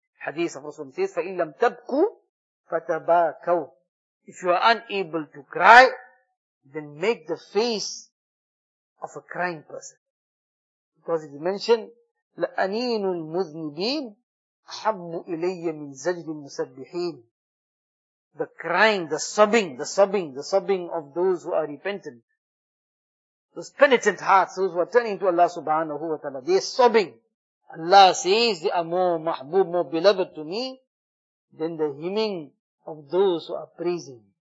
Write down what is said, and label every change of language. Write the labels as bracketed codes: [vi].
[en] Hadith of Rasulullah says, [ar] فَإِن لَمْ تَبْكُوا فَتَبَاكَوْا. [en] If you are unable to cry, then make the face of a crying person. Because it is mentioned, [ar] لَأَنِينُ الْمُذْنِبِينَ حَبُّ إِلَيَّ مِنْ زَجْرِ الْمُسَبِّحِينَ. [en] The crying, the sobbing of those who are repentant. Those penitent hearts, those who are turning to Allah subhanahu wa ta'ala, they are sobbing. Allah says, they are more mahbub, more beloved to me than the hymning of those who are praising me.